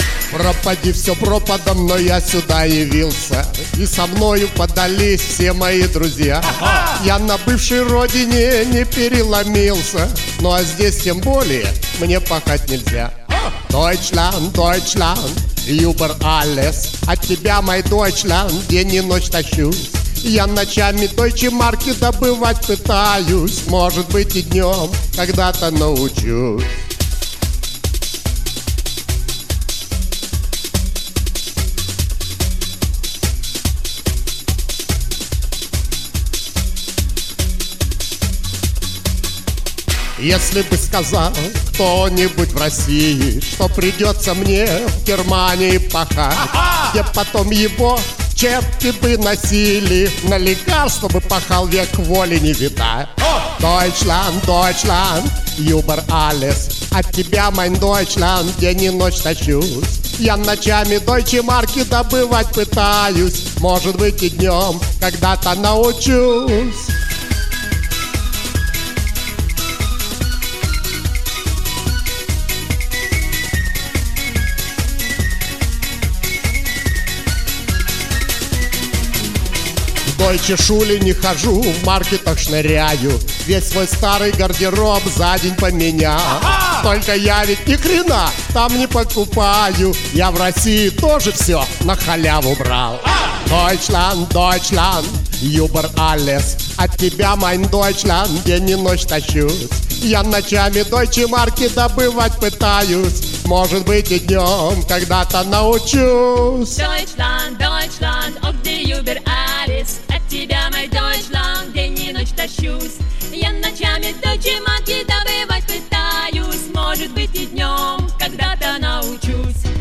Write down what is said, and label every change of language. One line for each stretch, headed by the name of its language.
Russian: Пропади все пропадом, но я сюда явился. И со мною подались все мои друзья. Я на бывшей родине не переломился. Ну а здесь тем более мне пахать нельзя.
German: Deutschland, Deutschland, über alles.
Russian: От тебя, мой Deutschland, день и ночь тащусь. Я ночами Deutsche Mark добывать пытаюсь. Может быть и днем когда-то научусь. Если бы сказал кто-нибудь в России, что придется мне в Германии пахать, где потом его чепки бы носили, на лекарства бы пахал, век воли не видать.
German: Deutschland, Deutschland, über alles.
Russian: От тебя,
German: mein Deutschland,
Russian: день и ночь тащусь. Я ночами Deutsche Mark добывать пытаюсь. Может быть и днем когда-то научусь. В
German: Deutsche Schule
Russian: не хожу, в маркетах шныряю. Весь свой старый гардероб за день поменял. Только я ведь ни хрена там не покупаю. Я в России тоже все на халяву брал.
German: Deutschland, Deutschland, über alles.
Russian: От тебя, mein Deutschland, день и ночь тащусь. Я ночами Deutsche Mark добывать пытаюсь. Может быть и днем когда-то научусь.
German: Deutschland, Deutschland, auf die über alles.
Russian: Тебя, мой Deutschland, день и ночь тащусь. Я ночами Deutsche Mark добывать пытаюсь. Может быть и днем когда-то научусь.